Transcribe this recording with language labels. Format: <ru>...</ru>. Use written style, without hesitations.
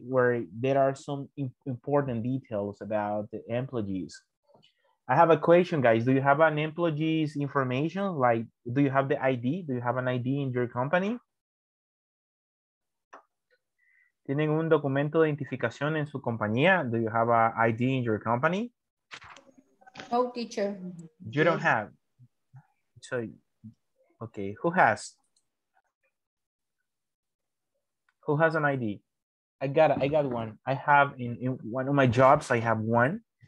<en>Where there are some important details about the employees. I have a question, guys. Do you have an employee's information? Like, do you have the ID? Do you have an ID in your company?</en> <es>¿Tienen un documento de identificación en su compañía?</es> <en>Do you have an ID in your company? No, teacher. You don't have. So, okay, who has? I Who has an ID? I got one. I have in one of my jobs, I have one.</en>